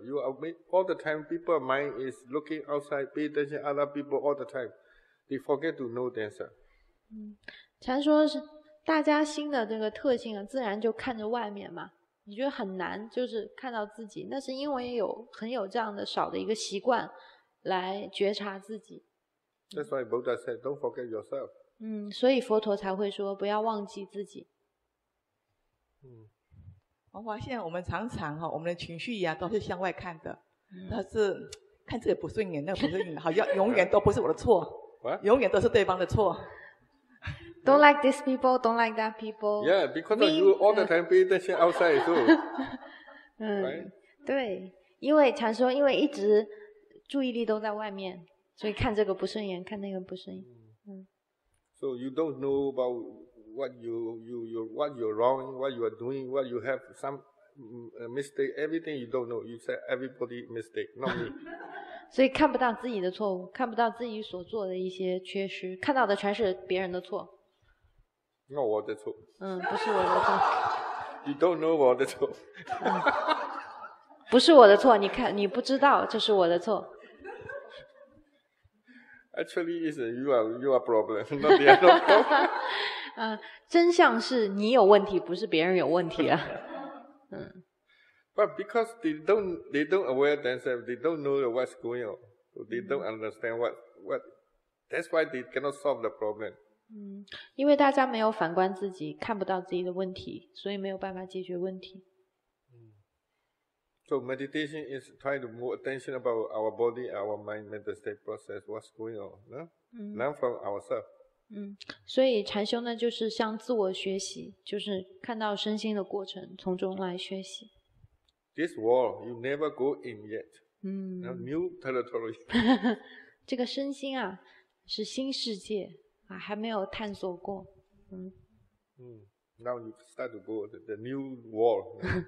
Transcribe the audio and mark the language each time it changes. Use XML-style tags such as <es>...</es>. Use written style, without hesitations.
<en>You are all the time, people's mind is looking outside, paying attention to other people all the time. They forget to know themselves.</en> <zh>禅说是大家心的这个特性啊，自然就看着外面嘛。你觉得很难，就是看到自己，那是因为很有这样的少的一个习惯来觉察自己。</zh> <en>That's why Buddha said, "Don't forget yourself."</en> <zh>所以佛陀才会说不要忘记自己。我发现我们常常哈，我们的情绪呀、都是向外看的，但是看这个不顺眼，那个不顺眼，好像永远都不是我的错，永远都是对方的错。</zh> <en>Don't like these people, don't like that people. Yeah, because of you all the time pay attention outside too.</en> <zh>对，因为常说，因为一直注意力都在外面。所以看这个不顺眼，看那个不顺眼。</zh> <en>So you don't know about what you're wrong, what you are doing, what you have some mistake. Everything you don't know. You say everybody mistake, not me.</en> <zh>所以看不到自己的错误，看不到自己所做的一些缺失，看到的全是别人的错。 Not 我的错。不是我的错。</zh> <en>You don't know 我的错。</en> <zh>不是我的错，你看你不知道这是我的错。</zh> <en>Actually, is you are problem, not the other problem.</en> <zh>真相是你有问题，不是别人有问题啊。</zh> <en>But because they don't aware themselves, they don't know what's going on, they don't understand what. That's why they cannot solve the problem.</en> <zh>因为大家没有反观自己，看不到自己的问题，所以没有办法解决问题。</zh> <en>So meditation is trying to move attention about our body, our mind, mental state process, what's going on, no? Learn from ourselves.</en> <zh>所以禅修呢就是像自我学习，就是看到身心的过程，从中来学习。</zh> <en>This wall, you never go in yet. New territory.</en> <zh>这个身心啊，是新世界啊，还没有探索过。</zh> <en>Now you start to go the new wall.</en>